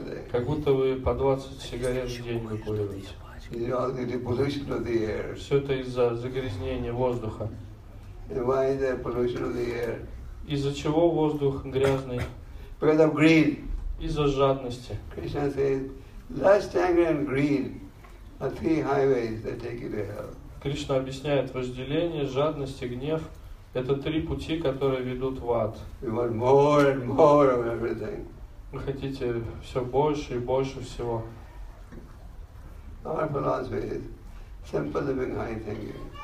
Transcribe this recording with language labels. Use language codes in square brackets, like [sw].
[ru] Как будто вы по 20 сигарет в день выкуриваете. Все это из-за загрязнения воздуха. Из-за чего воздух грязный? Из-за жадности. [en] Krishna says, lust, anger, and greed are three highways that take you to hell. [ru] Krishna объясняет, вожделение, жадность и гнев – это три пути, которые ведут в ад. [en] We want more and more of everything. [ru] Вы хотите все больше и больше всего. [en] Our philosophy is simple living, high thinking.